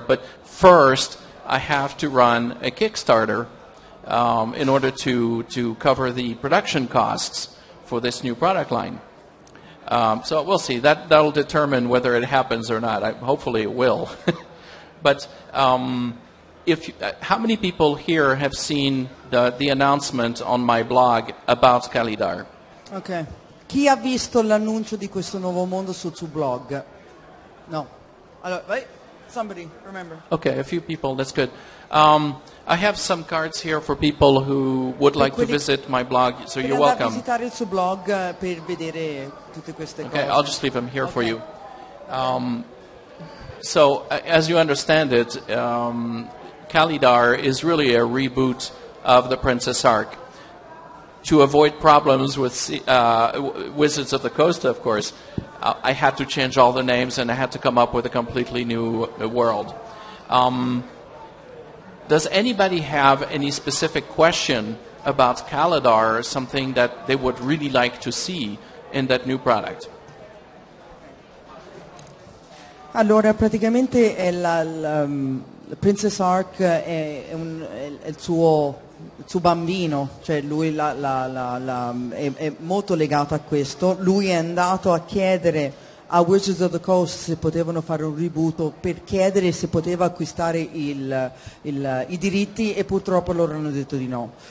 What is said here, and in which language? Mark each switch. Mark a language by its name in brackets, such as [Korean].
[English] But first, I have to run a Kickstarter in order to cover the production costs for this new product line. So we'll see. That'll determine whether it happens or not. Hopefully it will. But how many people here have seen the announcement on my blog about Kalidar? Okay. [Italian] Chi ha visto l'annuncio di questo nuovo mondo sul suo blog? [English] No. Somebody, remember. Okay, a few people, that's good. I have some cards here for people who would like to visit my blog, so you're welcome. [Italian] Per visitare il suo blog per vedere tutte queste cose. [English] Okay, I'll just leave them here for you. So, as you understand it, Kalidar is really a reboot of the Princess Arc. To avoid problems with Wizards of the Coast, of course, I had to change all the names and I had to come up with a completely new world. Does anybody have any specific question about Kalidar, or something that they would really like to see in that new product? [Italian] Allora, praticamente la Princess Arc è il suo bambino, cioè lui è molto legato a questo. Lui è andato a chiedere a Wizards of the Coast se potevano fare un reboot per chiedere se poteva acquistare i diritti, e purtroppo loro hanno detto di no.